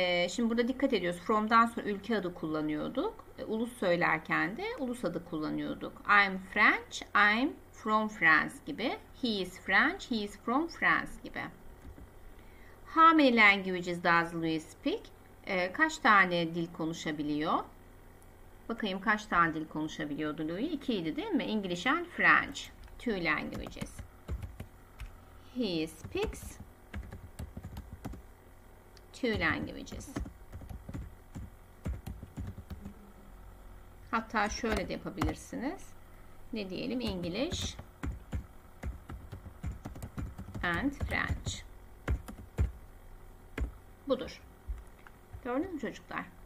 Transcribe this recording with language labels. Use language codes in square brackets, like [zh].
[tr] Şimdi burada dikkat ediyoruz. From'dan sonra ülke adı kullanıyorduk. Ulus söylerken de ulus adı kullanıyorduk. [en] I'm French, I'm from France gibi. He is French, he is from France gibi. How many languages does Louis speak? [tr] Kaç tane dil konuşabiliyor? Bakayım kaç tane dil konuşabiliyordu Louis? İkiydi değil mi? [en] English and French. Two languages. He speaks two languages. [tr] Hatta şöyle de yapabilirsiniz. Ne diyelim? [en] English and French. [tr] Budur. Gördünüz mü çocuklar?